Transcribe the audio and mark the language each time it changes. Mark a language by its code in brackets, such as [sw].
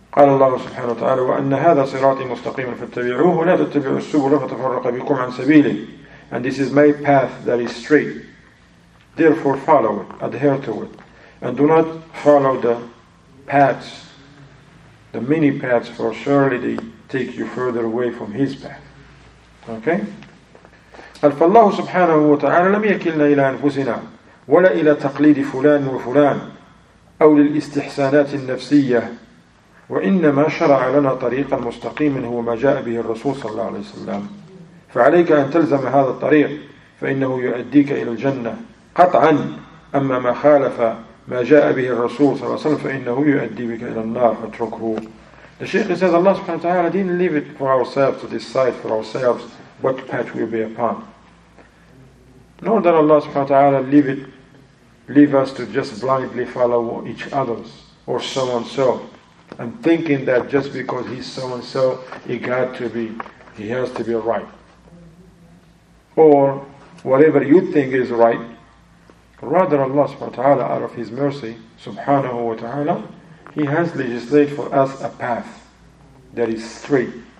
[ar] قال الله سبحانه وتعالى وَأَنَّ هَذَا صِرَاطِي مُسْتَقِيمًا فَاتَّبِعُوهُ لَا تَتَّبِعُوا السُّبُلَ فَتَفَرَّقَ بِكُمْ عَنْ سَبِيلِهِ. [en] And this is my path that is straight. Therefore follow it, adhere to it. And do not follow the paths, the many paths, for surely they take you further away from His path. Okay? [ar] فالله سبحانه وتعالى لم يكلنا إلى أنفسنا ولا إلى تقليد فلان وفلان أو للاستحسانات النفسية وإنما شرع لنا طريقا مستقيما هو ما جاء به الرسول صلى الله عليه وسلم. فعليك أن تلزم هذا الطريق فإنه يؤديك إلى الجنة قطعا أما ما خالف ما جاء به الرسول صلى الله عليه وسلم فإنه يؤدي بك إلى النار فاتركه. [en] The Shaykh says, Allah subhanahu wa ta'ala didn't leave it for ourselves [ar] to decide for ourselves [en] what patch we'll be upon. Nor that Allah subhanahu wa ta'ala leave us to just blindly follow each other's or so-and-so, and thinking that just because he's so-and-so, he has to be right. Or whatever you think is right, rather Allah subhanahu wa ta'ala, out of his mercy, subhanahu wa ta'ala, he has legislated for us a path that is straight.